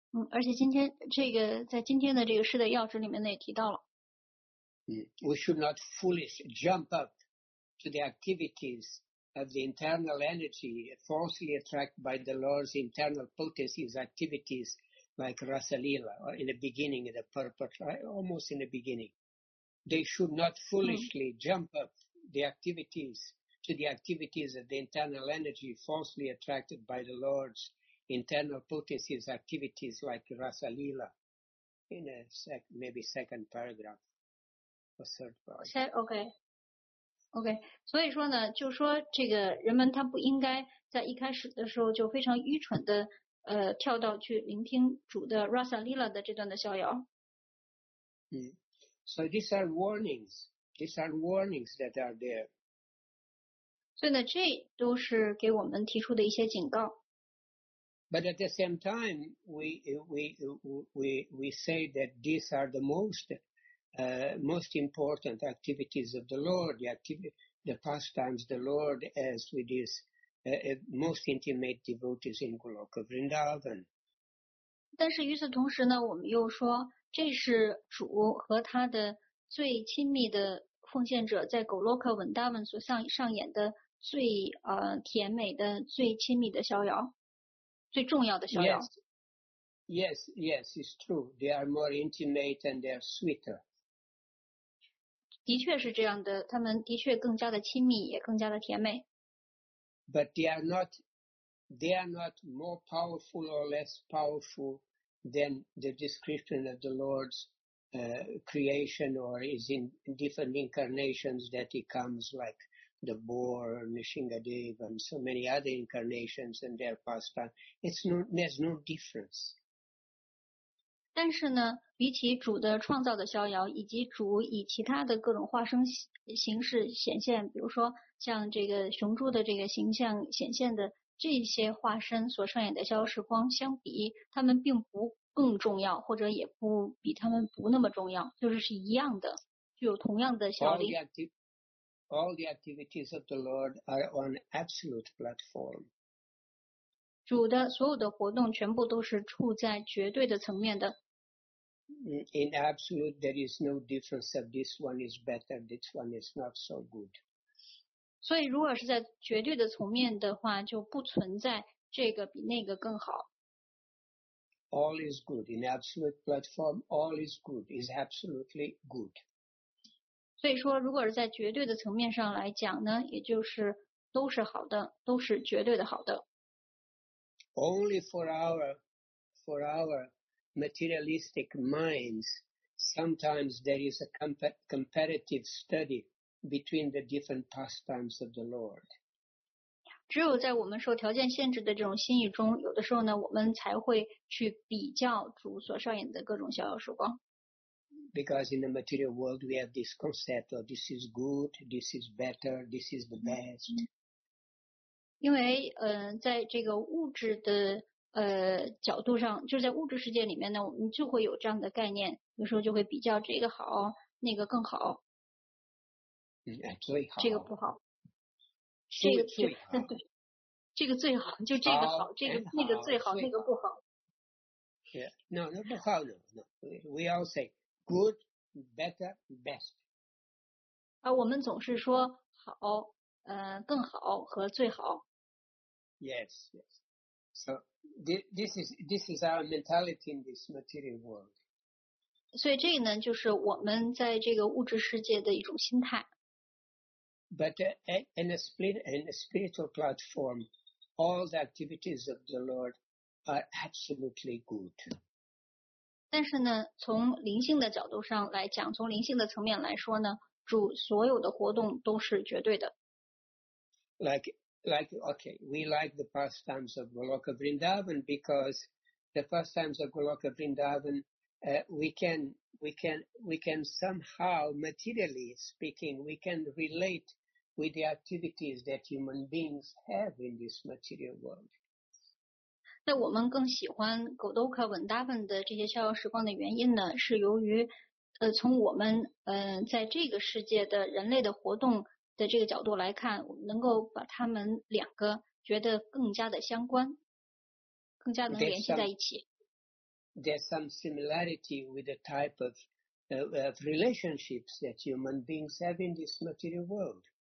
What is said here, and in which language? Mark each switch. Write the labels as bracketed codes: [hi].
[zh] 而且今天这个在今天的这个诗的要旨里面呢也提到了。 [en] We should not foolish jump up to the activities of the internal energy falsely attracted by the Lord's internal potencies activities like Rasa Leela or in the beginning of the purport, right? Almost in the beginning. They should not foolishly jump up the activities. To the activities of the internal energy falsely attracted by the Lord's internal potencies activities like Rasa Leela. In a second paragraph or third paragraph. Okay. [zh] 所以说呢，就说这个人们他不应该在一开始的时候就非常愚蠢的跳到去聆听主的 Rasa Leela 的这段的逍遥。 [en] So these are warnings. These are warnings that are there. [zh] 所以呢，这都是给我们提出的一些警告。 [en] But at the same time, we say that these are the most important activities of the Lord, the pastimes the Lord has with his most intimate devotees in Goloka Vrindavan. [zh] 但是与此同时呢，我们又说这是主和他的最亲密的奉献者在狗洛克文达文所上演的。最甜美的最亲密的逍遥最重要的逍遥 [en] Yes, it's true. They are more intimate and they are sweeter. [zh] 的确是这样的他们的确更加的亲密也更加的甜美。 [en] But they are not more powerful or less powerful than the description of the Lord's creation or is in different incarnations that he comes like. The boar, Nrisimhadev, and so many other incarnations and their pastime. There's no difference. [zh] 但是呢，比起主的创造的逍遥，以及主以其他的各种化身形式显现，比如说像这个雄猪的这个形象显现的这些化身所上演的逍遥时光，相比他们并不更重要，或者也不比他们不那么重要，就是是一样的，具有同样的效力。 [en] All the activities of the Lord are on absolute platform. [zh] 主的所有的活动全部都是处在绝对的层面的。 [en] In absolute, there is no difference that this one is better, this one is not so good. [zh] 所以如果是在绝对的层面的话，就不存在这个比那个更好。 [en] All is good. In absolute platform, all is good, is absolutely good. [zh] 所以说如果是在绝对的层面上来讲呢，也就是都是好的，都是绝对的好的。 [en] Only for our materialistic minds, sometimes there is a competitive study between the different pastimes of the Lord. [zh] 只有在我们受条件限制的这种心意中，有的时候呢，我们才会去比较主所上演的各种逍遥时光。 [en] Because in the material world we have this concept of this is good, this is better, this is the best. [zh] 因为在这个物质的角度上，就是在物质世界里面呢，我们就会有这样的概念，有时候就会比较这个好，那个更好。最好。这个不好。这个最好。这个最好，就这个好，这个那个最好，那个不好。 [en] Yeah, no, [zh] 那不好的。 [en] We all say good, better, best. [zh] 啊，我们总是说好，更好和最好。 [en] Yes, yes. So. This is our mentality in this material world. [zh] 所以这个呢，就是我们在这个物质世界的一种心态。 [en] But in a spiritual platform, all the activities of the Lord are absolutely good. [zh] 但是呢，从灵性的角度上来讲，从灵性的层面来说呢，主所有的活动都是绝对的。 [en] Like, okay, we like the pastimes of Goloka Vrindavan because the pastimes of Goloka Vrindavan, we can somehow, materially speaking, we can relate with the activities that human beings have in this material world. [zh] 那我们更喜欢 Goloka Vrindavan 的这些逍遥时光的原因呢，是由于，从我们，在这个世界的人类的活动的这个角度来看，我们能够把他们两个觉得更加的相关，更加能联系在一起。 [en] There's some similarity with the type of relationships that human beings have in this material world.